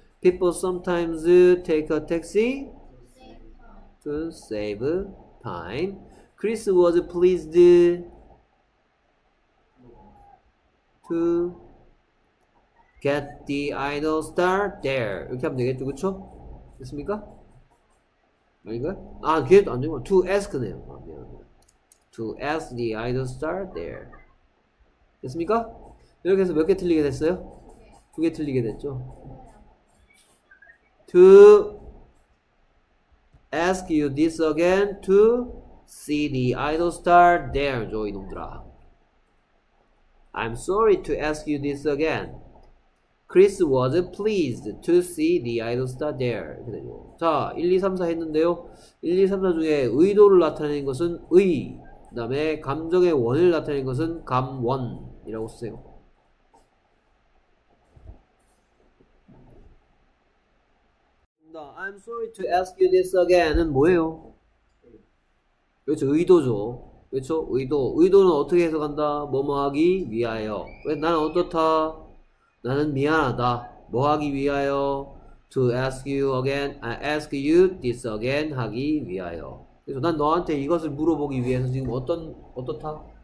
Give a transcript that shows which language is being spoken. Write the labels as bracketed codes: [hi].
[en] People sometimes take a taxi to save time. Chris was pleased to get the idol star there. [ko] 이렇게 하면 되겠죠, 그쵸? 됐습니까? 아닌가요? 아, 그게 또안 되고, to ask네요. 아, 미안합니다. [en] To ask the idol star there. [ko] 됐습니까? 이렇게 해서 몇개 틀리게 됐어요? 두개 틀리게 됐죠? [en] To ask you this again to see the idol star there, [ko] 저 이놈들아. [en] I'm sorry to ask you this again. Chris was pleased to see the idol star there. [ko] 자, 1, 2, 3, 4 했는데요. 1, 2, 3, 4 중에 의도를 나타내는 것은 의, 그 다음에 감정의 원을 나타내는 것은 감원이라고 쓰세요. 나, [en] I'm sorry to ask you this again [ko] 은 뭐예요? 그렇죠, 의도죠. 그렇죠? 의도. 의도는 어떻게 해석한다? 뭐뭐하기 위하여. 왜 나는 어떻다? 나는 미안하다. 뭐하기 위하여? [en] To ask you again. I ask you this again [ko] 하기 위하여. 그래서 난 너한테 이것을 물어보기 위해서 지금 어떻다?